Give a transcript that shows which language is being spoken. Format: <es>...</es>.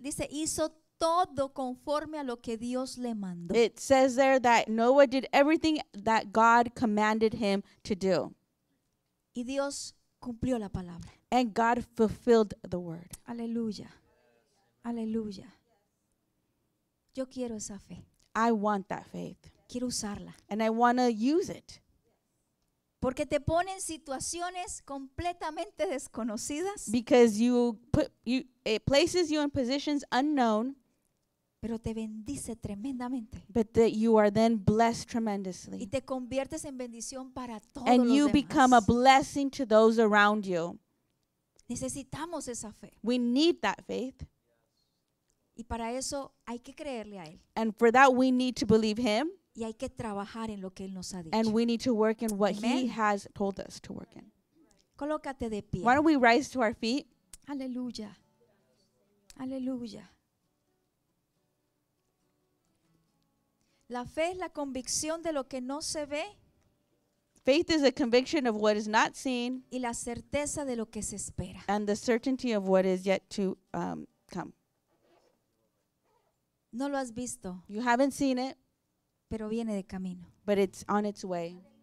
<es>Dice, hizo todo conforme a lo que Dios le mandó.</es> <en>It says there that Noah did everything that God commanded him to do.</en> <es>Y Dios cumplió la palabra.</es> <en>And God fulfilled the word.</en> <es>Aleluya. Aleluya. Yo quiero esa fe.</es> <en>I want that faith.</en> <es>Quiero usarla.</es> <en>And I want to use it.</en> <es>Porque te ponen situaciones completamente desconocidas.</es> <en>Because it places you in positions unknown.</en> <es>Pero te bendice tremendamente.</es> <en>But that you are then blessed tremendously.</en> <es>Y te conviertes en bendición para todos los demás.</es> <en>And you become a blessing to those around you.</en> <es>Necesitamos esa fe.</es> <en>We need that faith.</en> <es>Y para eso hay que creerle a él.</es> <en>And for that we need to believe him.</en> <es>Y hay que trabajar en lo que él nos ha dicho.</es> <en>And we need to work in what Amen. He has told us to work in.</en> <es>Colócate de pie.</es> <en>Why don't we rise to our feet?</en> <es>Aleluya. Aleluya. La fe es la convicción de lo que no se ve.</es> <en>Faith is a conviction of what is not seen.</en> <es>Y la certeza de lo que se espera.</es> <en>And the certainty of what is yet to come.</en> <es>No lo has visto.</es> <en>You haven't seen it.</en> <es>Pero viene de camino.</es> <en>But it's on its way.</en>